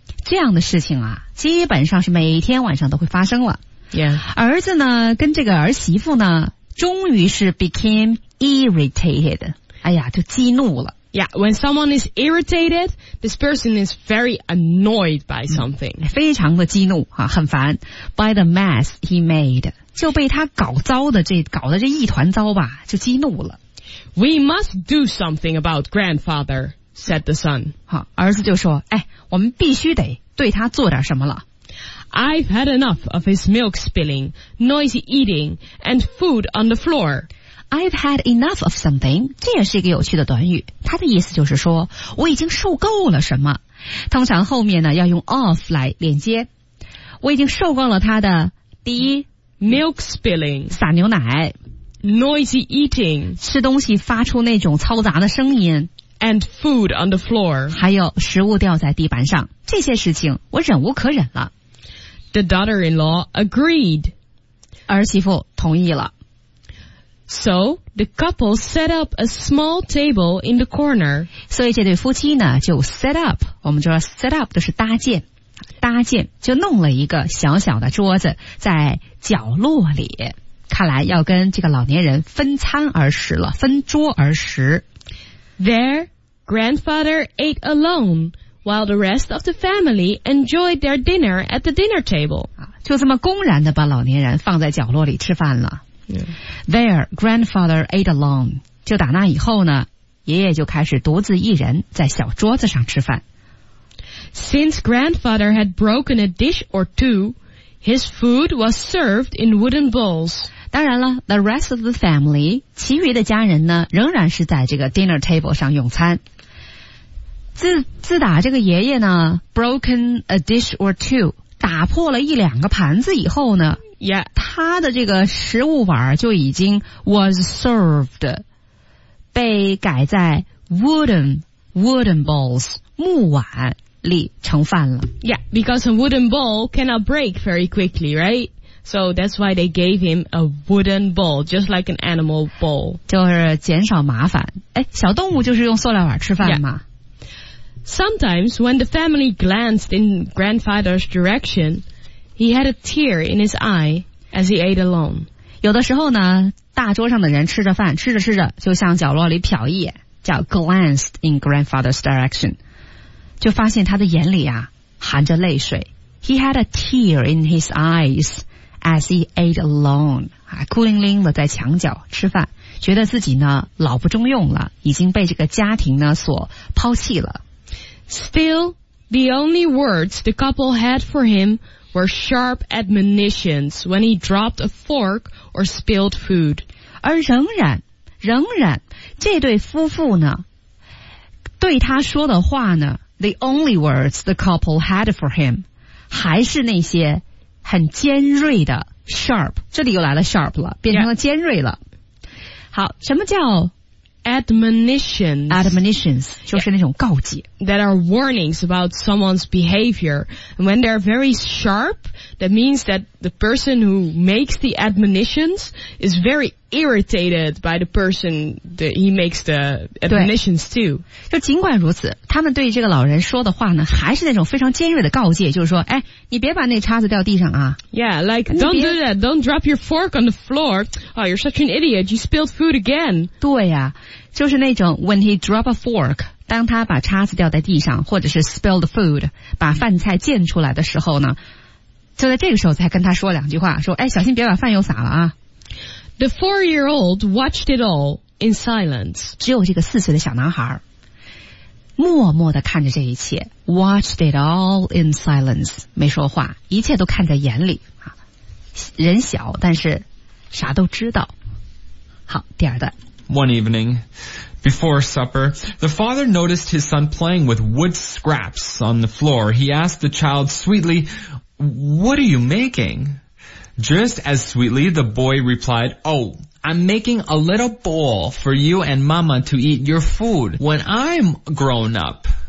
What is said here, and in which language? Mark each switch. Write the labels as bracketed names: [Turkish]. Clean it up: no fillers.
[Chinese] 这样的事情啊基本上是每天晚上都会发生了。 [English] Yeah. [Chinese] 儿子呢跟这个儿媳妇呢终于是 [English] became irritated. [Chinese] 哎呀就激怒了。 [English] Yeah, when someone is irritated, this person is very annoyed by something. [Chinese] 非常的激怒啊，很烦。 [English] By the mess he made, [Chinese] 就被他搞糟的这搞的这一团糟吧，就激怒了。 [English] We must do something about grandfather, said the son. [Chinese] 好，儿子就说，哎，我们必须得对他做点什么了。 [English] I've had enough of his milk spilling, noisy eating, and food on the floor. I've had enough of something, [Chinese] 这也是一个有趣的短语。它的意思就是说我已经受够了什么。通常后面呢要用 of 来连接。我已经受够了它的第一 [English] ,milk spilling, [Chinese] 撒牛奶 [English] ,noisy eating, [Chinese] 吃东西发出那种嘈杂的声音 [English] ,and food on the floor, [Chinese] 还有食物掉在地板上。这些事情我忍无可忍了。 [English] The daughter-in-law agreed. [Chinese] 儿媳妇同意了。 [English] So, the couple set up a small table in the corner. [Chinese] 所以这对夫妻呢就 set up, 我们就说 set up 就是搭建。搭建就弄了一个小小的桌子在角落里。看来要跟这个老年人分餐而食了分桌而食。 [English] There, grandfather ate alone, while the rest of the family enjoyed their dinner at the dinner table. [Chinese] 就这么公然的把老年人放在角落里吃饭了。 [English] Yeah. There, grandfather ate alone. [Chinese] 就打那以后呢，爷爷就开始独自一人在小桌子上吃饭。 [English] Since grandfather had broken a dish or two, his food was served in wooden bowls. [Chinese] 当然了 ， [English] the rest of the family， [Chinese] 其余的家人呢，仍然是在这个 [English] dinner table [Chinese] 上用餐。自打这个爷爷呢 ， [English] broken a dish or two， [Chinese] 打破了一两个盘子以后呢。 [English] Yeah, [Chinese] 他的这个食物碗就已经 [English] was served, [Chinese] 被改在 [English] wooden bowls, [Chinese] 木碗里盛饭了。 [English] Yeah, because a wooden bowl cannot break very quickly, right? So that's why they gave him a wooden bowl, just like an animal bowl. [Chinese] 就是减少麻烦。诶，小动物就是用塑料碗吃饭嘛。 [English] Yeah. Sometimes when the family glanced in grandfather's direction,He had a tear in his eye as he ate alone. [Chinese] 有的时候呢，大桌上的人吃着饭，吃着吃着，就向角落里瞟一眼，叫 [English] glanced in grandfather's direction， [Chinese] 就发现他的眼里啊含着泪水。 [English] He had a tear in his eyes as he ate alone. [Chinese] 啊，孤零零的在墙角吃饭，觉得自己呢老不中用了，已经被这个家庭呢所抛弃了。 [English] Still, the only words the couple had for him. Were sharp admonitions when he dropped a fork or spilled food. [Chinese] 而仍然，这对夫妇呢，对他说的话呢 ， [English] the only words the couple had for him， [Chinese] 还是那些很尖锐的 sharp。这里又来了 sharp 了，变成了尖锐了。好，什么叫 [English] admonitions [Chinese] 就是那种告诫 [English] that are warnings about someone's behavior and when they're very sharp that means that the person who makes the admonitions is very irritated by the person that he makes the admonitions to [Chinese] 就尽管如此他们对这个老人说的话呢还是那种非常尖锐的告诫就是说哎，你别把那叉子掉地上啊 [English] yeah like don't do that don't drop your fork on the floor oh you're such an idiot you spilled food again [Chinese] 对呀、啊就是那种 [English] when he drop a fork [Chinese] 当他把叉子掉在地上或者是 [English] spilled food [Chinese] 把饭菜溅出来的时候呢就在这个时候才跟他说两句话说哎，小心别把饭又洒了啊 [English] The four-year-old watched it all in silence [Chinese] 只有这个四岁的小男孩默默地看着这一切 [English] watched it all in silence [Chinese] 没说话一切都看在眼里人小但是啥都知道好第二段 [English] One evening, before supper, the father noticed his son playing with wood scraps on the floor. He asked the child sweetly, What are you making? Just as sweetly, the boy replied, Oh, I'm making a little bowl for you and mama to eat your food when I'm grown up.